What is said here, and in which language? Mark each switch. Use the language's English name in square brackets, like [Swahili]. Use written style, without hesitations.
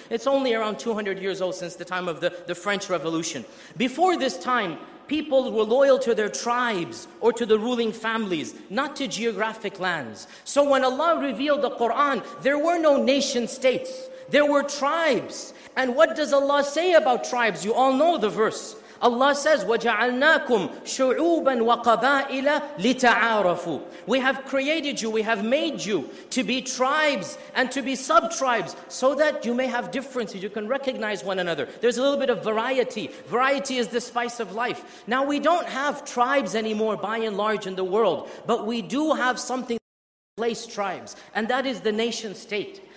[English] It's only around 200 years old since the time of the French Revolution. Before this time, people were loyal to their tribes or to the ruling families, not to geographic lands. So when Allah revealed the Quran, there were no nation states. There were tribes. And what does Allah say about tribes? You all know the verse. [Arabic] Allah says, وَجَعَلْنَاكُمْ شُعُوبًا وَقَبَائِلَ لِتَعَارَفُوا. [English] We have created you, we have made you to be tribes and to be sub-tribes so that you may have differences, you can recognize one another. There's a little bit of variety. Variety is the spice of life. Now we don't have tribes anymore by and large in the world, but we do have something that replaces tribes, and that is the nation state.